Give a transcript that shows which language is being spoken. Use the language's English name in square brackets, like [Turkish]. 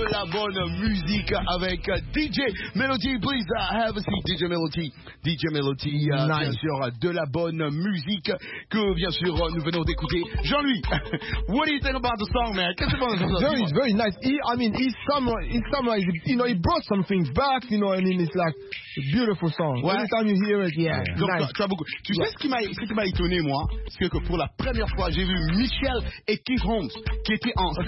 [French] Bonne musique avec [English] DJ Melody, please have a seat, DJ Melody. [French] DJ Melody, bien sûr, de la bonne musique que, bien sûr, nous venons d'écouter. [English] Jean-Louis, what do you think about the song, man? [French] Qu'est-ce que tu penses? [English] Very, very nice. He brought some things back, you know, and it's like a beautiful song. Every time you hear it, nice. [French] Tu as beaucoup. Tu sais ce qui m'a étonné, moi, c'est que pour la première fois, j'ai vu Michel et Keith Holmes qui étaient en